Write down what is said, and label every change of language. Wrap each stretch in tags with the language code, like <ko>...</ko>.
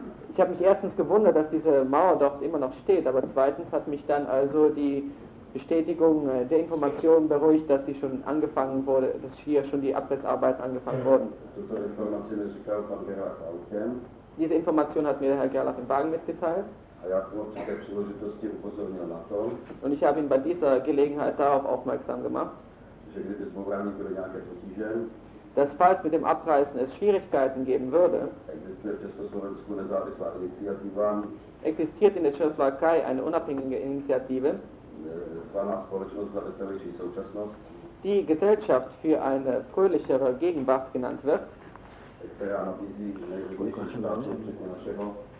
<de>Ich habe mich erstens gewundert, dass diese Mauer dort immer noch steht, aber zweitens hat mich dann also die Bestätigung der Informationen beruhigt, dass sie schon angefangen wurde, dass hier schon die Abrissarbeiten angefangen wurden.</de> <cs>Tuto informaci mi říkal pan Gerlach autem.</cs> <de>Diese Information hat mir der Herr Gerlach im Wagen mitgeteilt.</de> <cs>A já jsem při té příležitosti upozornil na to.</cs> <de>Und ich habe ihn bei dieser Gelegenheit darauf aufmerksam gemacht.</de> <cs>Že kdyby s Bouráním byly nějaké potíže.</cs> <de>Dass falls mit dem Abreißen es Schwierigkeiten geben würde.</de> <cs>Existuje v Československu nezávislá iniciativa.</cs> <de>Existiert in der Tschechoslowakei eine unabhängige Initiative.</de> <cs>Zvaná společnost za veselější současnost.</cs> <de>Die Gesellschaft für eine fröhlichere Gegenwart genannt wird.</de> <cs>Která nabízí nejrůznější dáčů, včetně našeho.</cs>